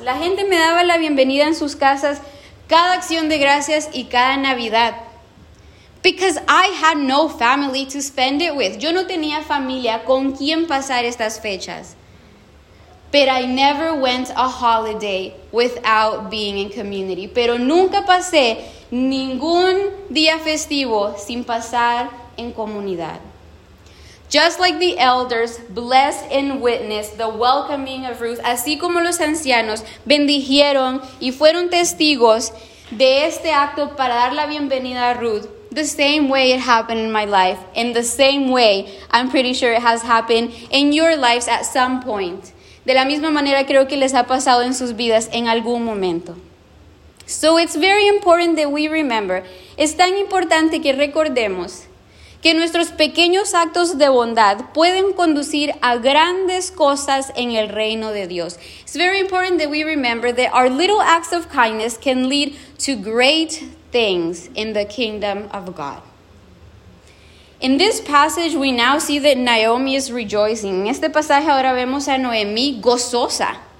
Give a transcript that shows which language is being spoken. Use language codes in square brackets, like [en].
[es] La gente me daba la bienvenida en sus casas cada acción de gracias y cada Navidad. [en] Because I had no family to spend it with. [es] Yo no tenía familia con quien pasar estas fechas. [en] But I never went a holiday without being in community. [es] Pero nunca pasé ningún día festivo sin pasar en comunidad. [en] Just like the elders blessed and witnessed the welcoming of Ruth, [es] así como los ancianos bendijeron y fueron testigos de este acto para dar la bienvenida a Ruth, [en] the same way it happened in my life, in the same way I'm pretty sure it has happened in your lives at some point. [es] De la misma manera creo que les ha pasado en sus vidas en algún momento. [en] So it's very important that we remember. [es] Es tan importante que recordemos que nuestros pequeños actos de bondad pueden conducir a grandes cosas en el reino de Dios. [en] It's very important that we remember that our little acts of kindness can lead to great things in the kingdom of God. In this passage, we now see that Naomi is rejoicing. [es] En este pasaje ahora vemos a Noemi gozosa.